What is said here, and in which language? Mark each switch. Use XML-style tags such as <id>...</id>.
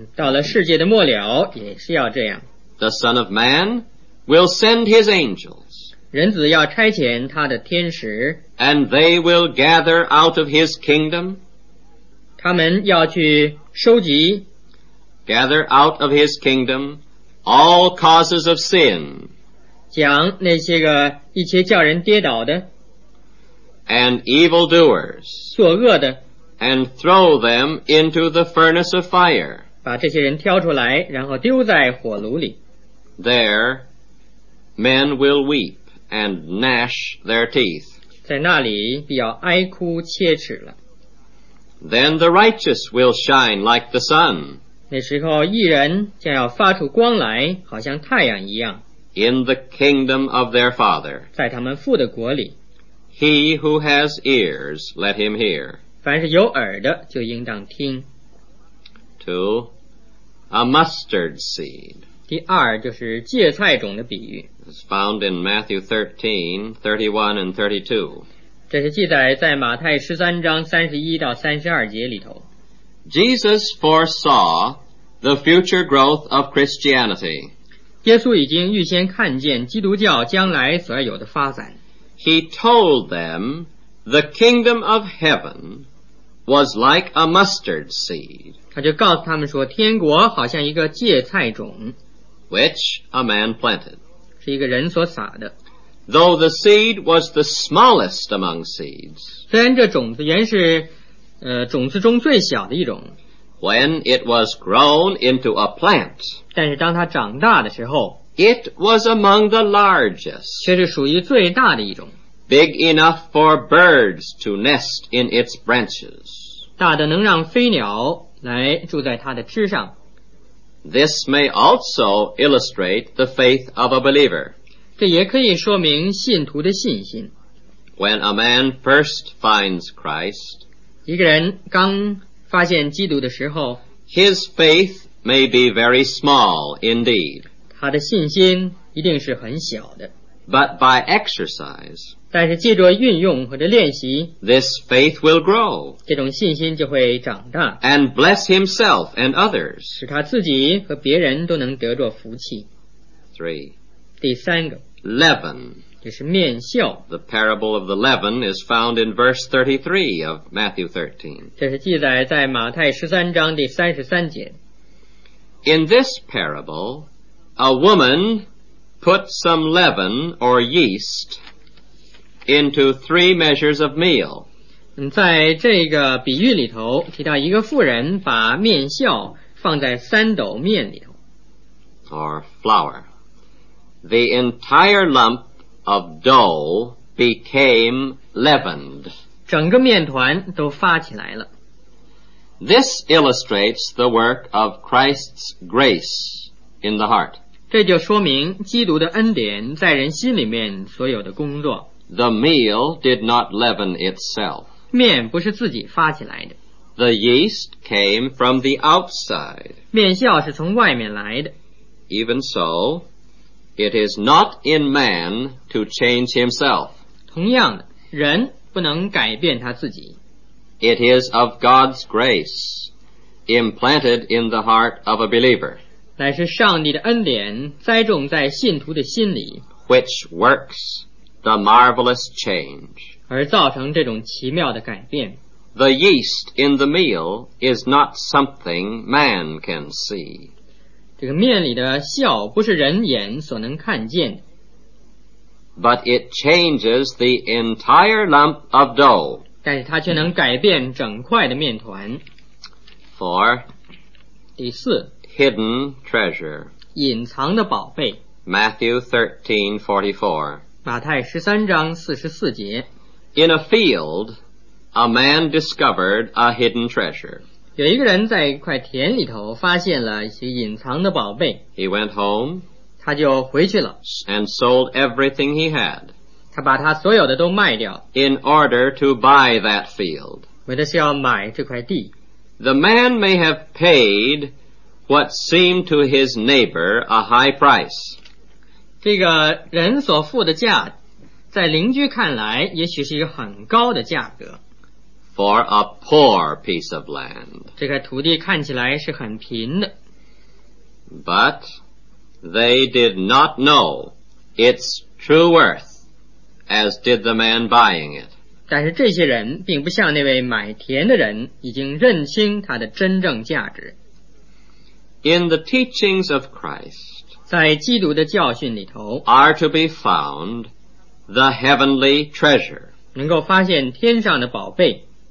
<zh>到了世界的末了也是要这样。</zh> <en>The Son of Man will send his angels.</en> <zh>人子要差遣他的天使。</zh> <en>And they will gather out of his kingdom.</en> <zh>他们要去收集。</zh> <en>Gather out of his kingdom all causes of sin.</en> <zh>将那些个一切叫人跌倒的。</zh> <en>And evildoers.</en> <zh>作恶的。</zh> <en>And throw them into the furnace of fire.</en> <zh>把这些人挑出来然后丢在火炉里。</zh> <en>There, men will weep and gnash their teeth.</en> <zh>在那里必要哀哭切齿了。</zh> <en>Then the righteous will shine like the sun.</en> <zh>那时候义人将要发出光来好像太阳一样。</zh> <en>In the kingdom of their father.</en> <zh>在他们父的国里。</zh> <en>He who has ears, let him hear.</en> <zh>凡是有耳的就应当听。</zh> <en>Two, a mustard seed.</en> <zh>第二就是芥菜种的比喻。</zh> <en>It's found in Matthew 13:31-32.</en> <zh>这是记载在马太13:31-32里头。</zh> <en>Jesus foresaw the future growth of Christianity.</en> <zh>耶稣已经预先看见基督教将来所要有的发展。</zh> <en>He told them the kingdom of heaven was like a mustard seed.</en> <zh>他就告诉他们说天国好像一个芥菜种。</zh> <en>Which a man planted.</en> <zh>是一个人所撒的。</zh> <en>Though the seed was the smallest among seeds.</en> <zh>虽然这种子原是种子中最小的一种。</zh> <en>When it was grown into a plant.</en> <zh>但是当它长大的时候。</zh> <en>It was among the largest.</en> <zh>却是属于最大的一种。</zh> <en>Big enough for birds to nest in its branches.</en> <zh>大的能让飞鸟来住在它的枝上。</zh> <en>This may also illustrate the faith of a believer.</en> <zh>这也可以说明信徒的信心。</zh> <en>When a man first finds Christ,</en> <zh>一个人刚发现基督的时候，</zh> <en>His faith may be very small indeed.</en> <zh>他的信心一定是很小的。</zh> <en>But by exercise,</en> <zh>但是借着运用或者练习，</zh> <en>This faith will grow.</en> <zh>这种信心就会长大。</zh> <en>And bless himself and others.</en> <zh>使他自己和别人都能得着福气。</zh> <en>Three.</en> <zh>第三个。</zh> <en>Leaven.</en> <zh>就是面笑。</zh> <en>The parable of the leaven is found in verse 33 of Matthew 13.</en> <zh>这是记载在马太13:33.</zh> <en>In this parable, a woman put some leaven or yeast into 3 measures of meal.</en> <zh>在这个比喻里头提到一个妇人把面笑放在三斗面里头。</zh> <en>Or flour. The entire lump of dough became leavened.</en> <zh>整个面团都发起来了。</zh> <en>This illustrates the work of Christ's grace in the heart.</en> <zh>这就说明基督的恩典在人心里面所有的工作。</zh> <en>The meal did not leaven itself.</en> <zh>面不是自己发起来的。</zh> <en>The yeast came from the outside.</en> <zh>面酵是从外面来的。</zh> <en>Even so, it is not in man to change himself.</en> <zh>同样的，人不能改变他自己。</zh> <en>It is of God's grace, implanted in the heart of a believer.</en> <zh>乃是上帝的恩典栽种在信徒的心里。</zh> <en>Which works the marvelous change.</en> <zh>而造成这种奇妙的改变。</zh> <en>The yeast in the meal is not something man can see.</en> <zh>这个面里的酵不是人眼所能看见的。</zh> <en>But it changes the entire lump of dough.</en> <zh>但是它却能改变整块的面团。</zh> <en>For,</en> <zh>第四</zh> <en>hidden treasure.</en> <zh>隐藏的宝贝。</zh> <en>Matthew 13:44.</en> <zh>马太13:44节。</zh> <en>In a field,A man discovered a hidden treasure.</en> <zh>有一个人在一块田里头发现了一些隐藏的宝贝。</zh> <en>He went home.</en> <zh>他就回去了。</zh> <en>And sold everything he had.</en> <zh>他把他所有的都卖掉。</zh> <en>In order to buy that field.</en> <zh>为的是要买这块地。</zh> <en>The man may have paid what seemed to his neighbor a high price.</en> <zh>这个人所付的价在邻居看来也许是一个很高的价格。</zh> <en>For a poor piece of land.</en> <zh>这块土地看起来是很贫的。</zh> <en>But they did not know its true worth, as did the man buying it.</en> <zh>但是这些人并不像那位买田的人已经认清它的真正价值。</zh> <en>In the teachings of Christ,</en> <zh>在基督的教训里头</zh> <en>are to be found the heavenly treasure.</en> <zh>能够发现天上的宝贝。</zh>